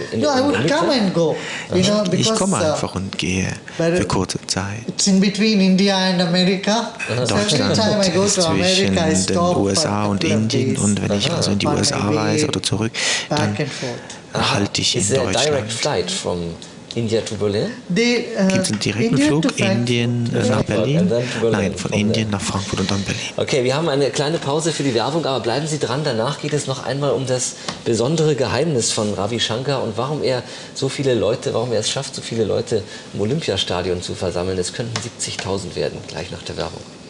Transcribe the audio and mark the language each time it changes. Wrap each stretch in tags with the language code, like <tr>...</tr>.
<en>No, I would come and go. You know, because</en> <de>ich komme einfach und gehe für kurze Zeit.</de> <en>It's in between India and America.</en> <de>Deutschland ist zwischen den USA und Indien, und wenn ich also in die USA reise oder zurück, dann halte ich in Deutschland.</de> <en>Is there a direct flight from India to Berlin?</en> <de>Gibt es einen direkten Flug Indien nach Berlin? Nein, von Indien nach Frankfurt und dann Berlin. Okay, wir haben eine kleine Pause für die Werbung, aber bleiben Sie dran. Danach geht es noch einmal um das besondere Geheimnis von Ravi Shankar und warum er es schafft, so viele Leute im Olympiastadion zu versammeln. Es könnten 70.000 werden, gleich nach der Werbung.</de>